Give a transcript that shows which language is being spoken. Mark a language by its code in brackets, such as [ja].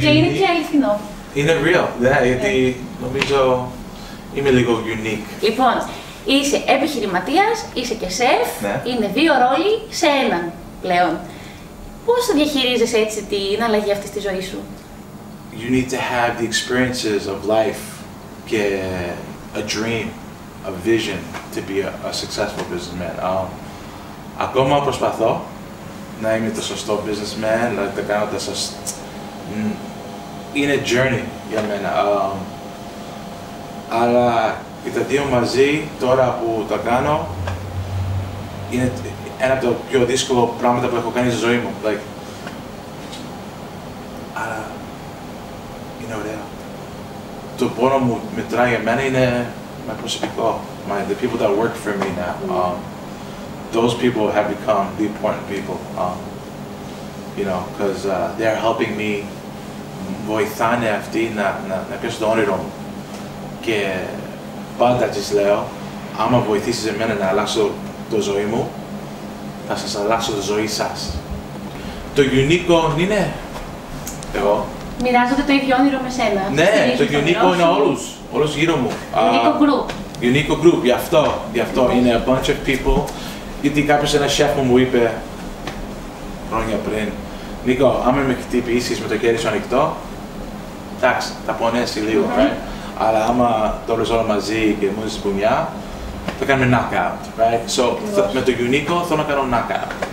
[el] Και είναι και αληθινό. Είναι real, ναι, γιατί νομίζω είμαι λίγο unique. Λοιπόν, είσαι επιχειρηματίας, είσαι και σεφ. Ναι. Είναι δύο ρόλοι σε έναν πλέον. Πώς διαχειρίζεσαι έτσι την αλλαγή αυτή στη ζωή σου? [en] You need to have the experiences of life [el] και [en] a dream, a vision to be a successful businessman. [el] Ακόμα προσπαθώ να είμαι το σωστό businessman, να τα κάνω τα σωστά. Είναι journey για μένα. Αλλά και τα δύο μαζί, τώρα που τα κάνω, είναι ένα από τα πιο δύσκολα πράγματα που έχω κάνει στη ζωή μου. Like, αλλά είναι ωραία. Το πόνο μου μετράει για μένα είναι με προσωπικό. [en] The people that work for me now. Those people have become the important people, you know, because they're helping me. [el] Βοηθάνε αυτοί να πιέσω το όνειρό μου. Και πάντα της λέω, άμα βοηθήσεις εμένα να αλλάξω το ζωή μου, θα σας αλλάξω το ζωή σας. Το unique είναι εγώ. Μοιράζονται το ίδιο όνειρο με σένα. Ναι, το unique είναι όλους, όλους γύρω μου. [en] Unique group, [el] γι' αυτό είναι [en] a bunch of people. [el] Γιατί κάποιος ένα chef μου είπε χρόνια πριν, Νίκο, άμα με χτυπήσεις με το χέρι σου ανοιχτό, εντάξει, θα πονέσει λίγο, mm-hmm. right? Αλλά άμα το βρεις όλα μαζί και μου δεις μπουνιά, θα κάνουμε knockout, right? So, με το Unico θέλω να κάνω knockout.